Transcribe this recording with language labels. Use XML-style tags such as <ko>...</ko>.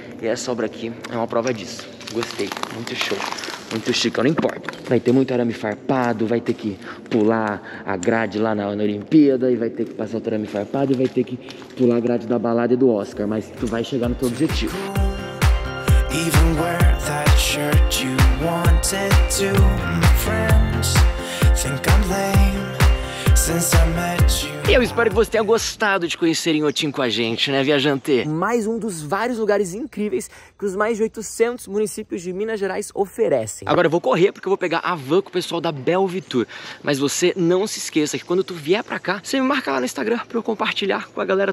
<pt>E essa obra aqui é uma prova disso. Gostei, muito show. Muito chique, eu não importo. Vai ter muito arame farpado, vai ter que pular a grade lá na Olimpíada e vai ter que passar o arame farpado e vai ter que pular a grade da balada e do Oscar, mas tu vai chegar no teu objetivo.</pt> <en>Even wear that shirt you wanted to, my friends, think I'm lame since I met you.</en> <pt>E eu espero que você tenha gostado de conhecer Inhotim com a gente, né, viajante? Mais um dos vários lugares incríveis que os mais de 800 municípios de Minas Gerais oferecem. Agora eu vou correr porque eu vou pegar a van com o pessoal da Belvitur. Mas você não se esqueça que quando tu vier pra cá, você me marca lá no Instagram pra eu compartilhar com a galera.</pt>